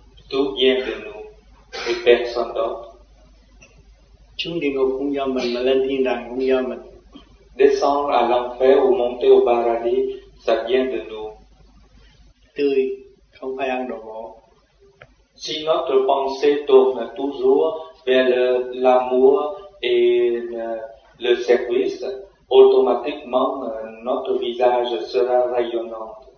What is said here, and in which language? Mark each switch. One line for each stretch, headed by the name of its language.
French: Tout vient de nous et personne d'autre.
Vietnamese: Xuống địa ngục cũng do mình, mà lên thiên đàng cũng do mình.
French: Descendre à l'enfer ou monter au paradis, ça vient de nous.
Vietnamese: Tươi, không phải ăn đồ bổ.
French: Si notre pensée tourne toujours vers l'amour et le service, automatiquement notre visage sera rayonnant.